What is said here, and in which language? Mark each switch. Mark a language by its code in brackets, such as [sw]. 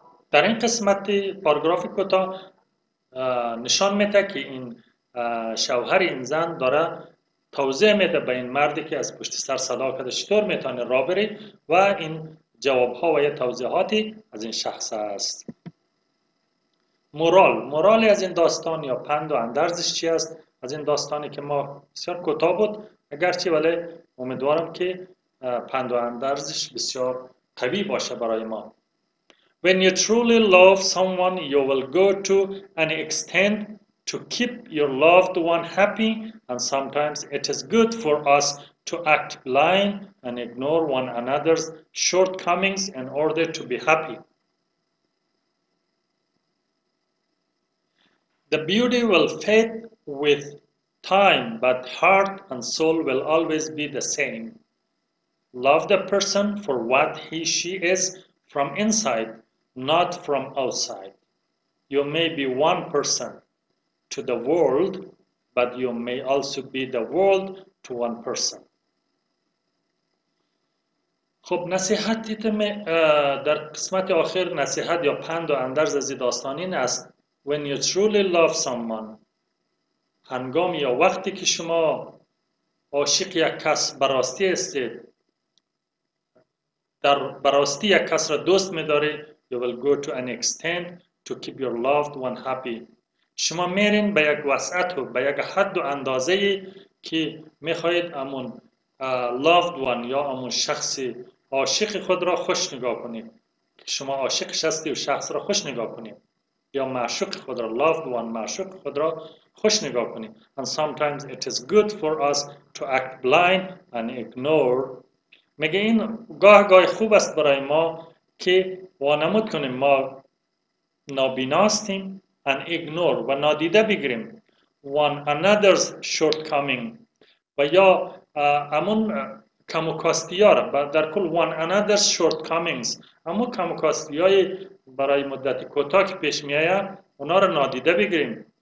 [fa] در این قسمت پاراگراف کوتاه نشان میده که این شوهر این زن داره توضیح میده به این مردی که از پشت سر صدا کرده چطور میتونه راه بره, و این جواب ها و یا توضیحاتی از این شخص است. مورال از این داستان یا پند و اندرزش چی است از این داستانی که ما بسیار کوتاه بود اگرچه, ولی امیدوارم که پند و اندرزش بسیار قوی باشه برای ما. [en] When you truly love someone, you will go to an extent to keep your loved one happy, and sometimes it is good for us to act blind and ignore one another's shortcomings in order to be happy. The beauty will fade with time, but heart and soul will always be the same. Love the person for what he she is from inside, not from outside. You may be one person to the world, but you may also be the world to one person. [fa] خب نصیحتی در قسمت آخر, نصیحت یا پند و اندرز از داستان این است [en] When you truly love someone, [fa] هنگام یا وقتی که شما عاشق یک کس براستی هستید، در براستی یک کس را دوست می‌دارید، [en] you will go to an extent to keep your loved one happy. [fa] شما میرین به یک وسعت و به یک حد و اندازه که می‌خواهید امون [en] loved one [fa] یا امون شخص عاشق خود را خوش نگاه کنید. شما عاشقش هستی و شخص را خوش نگاه کنید. یا معشوق خود را [en] loved one، [fa] معشوق خود را خوش نگاه کنید. [en] And sometimes it is good for us to act blind and ignore. [fa] میگه این گاه گاه خوب است برای ما که وانمود کنیم ما نابیناستیم [en] and ignore [fa] و نادیده بگیریم [en] one another's shortcoming [fa] و یا امون کموکاستی ها را در کل [en] one another's shortcomings [fa] امون کموکاستی های برای مدت کوتاه که پیش می آید اونا را نادیده بگیریم.